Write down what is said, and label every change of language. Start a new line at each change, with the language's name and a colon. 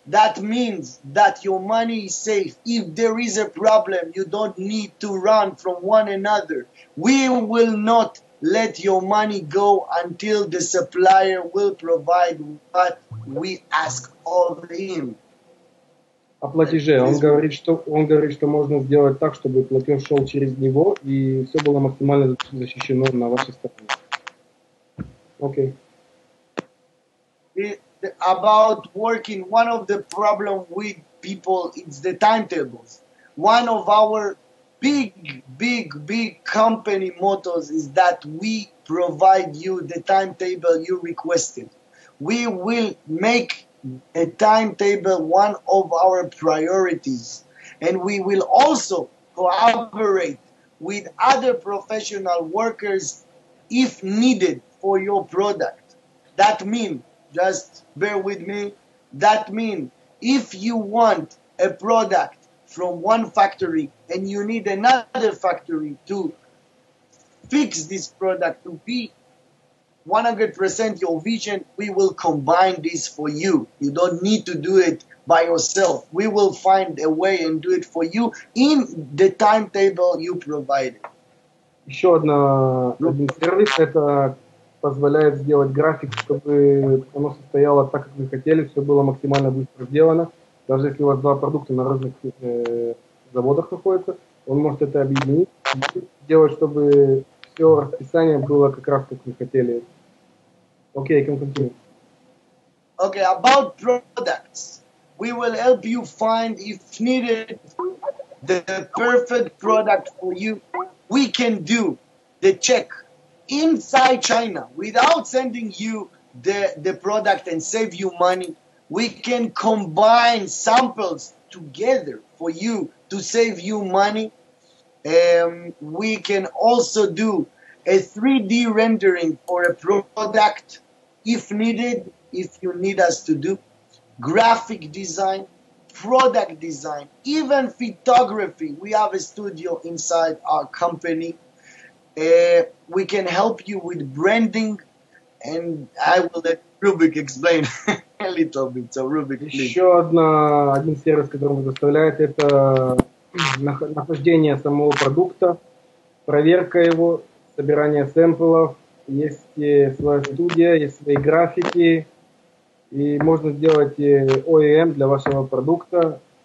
English: That means that your money is safe. If there is a problem, you don't need to run from one another. We will not let your money go until the supplier will provide what we ask of him.
Russian: О платеже. Он говорит, что можно сделать так, чтобы платеж шел через него и все было максимально защищено на вашей стороне. Окей.
English: about working, one of the problem with people is the timetables. One of our big company mottos is that we provide you the timetable you requested. We will make a timetable one of our priorities, and we will also cooperate with other professional workers if needed for your product. That means, just bear with me, that means if you want a product from one factory and you need another factory to fix this product to be 100% your vision, we will combine this for you. You don't need to do it by yourself. We will find a way and do it for you in the timetable you provided.
Russian: Еще одна, один сервис, это позволяет сделать график, чтобы оно состояло так, как вы хотели, все было максимально быстро сделано. Даже если у вас два продукта на разных заводах находятся, он может это объединить, сделать, чтобы все расписание было как раз, как вы хотели.
English: Okay, I can continue. Okay, about products. We will help you find, if needed, the perfect product for you. We can do the check inside China without sending you the product and save you money. We can combine samples together for you to save you money. We can also do a 3D rendering for a product if needed, if you need us to do. Graphic design, product design, even photography. We have a studio inside our company. We can help you with branding, and I will let Rubik explain a little bit. So Rubik, please.
Russian: Еще один сервис, который предоставляет, это нахождение самого продукта, проверка его, собирание сэмплов, есть своя студия, есть свои графики, и можно сделать OEM для вашего продукта.